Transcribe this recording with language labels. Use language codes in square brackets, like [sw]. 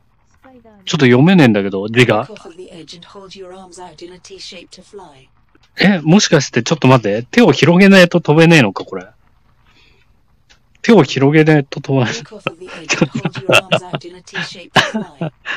[ja] スパイダーに。ちょっと読めねえんだけど、字が。 [en] Walk off of the edge and hold your arms out in a T shape to fly. [ja] え？もしかして、ちょっと待って、手を広げないと飛べねえのか、これ。手を広げないと飛ばない。 [en] Walk off of the edge and hold your arms out in a T shape to fly.